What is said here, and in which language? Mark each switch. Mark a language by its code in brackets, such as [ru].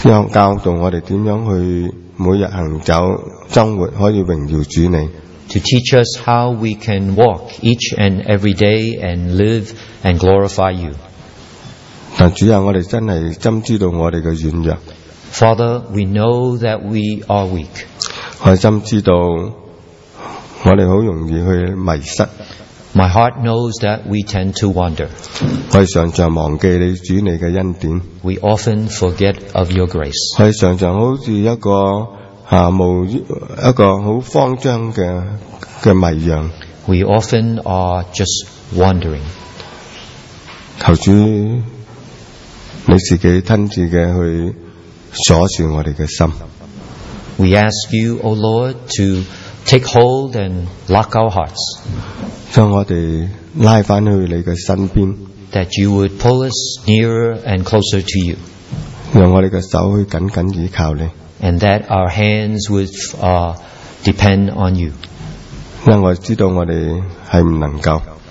[zh] 教导我们怎样去每日行走生活可以荣耀主你。 [en] To teach us how we can walk each and every day and live and glorify you. [zh] 但主啊，我们真的深知道我们的软弱。 [en] Father, we know that we are weak. [zh] 我深知道我们很容易去迷失。 [en] My heart knows that we tend to wander. [zh] 我们常常忘记你主你的恩典。 [en] We often forget of your grace. [zh] 我们常常好像一个一个很慌张 的迷样。 [en] We often are just wandering. [zh] 求主你自己亲自的去锁住我们的心。 [en] We ask you, O Lord, to take hold and lock our hearts. [zh] 将我们拉回去你的身边。 [en] That you would pull us nearer and closer to you. [zh] 让我们的手去紧紧依靠你。 [en] And that our hands would depend on you. [zh] 因为我知道我们是不能够。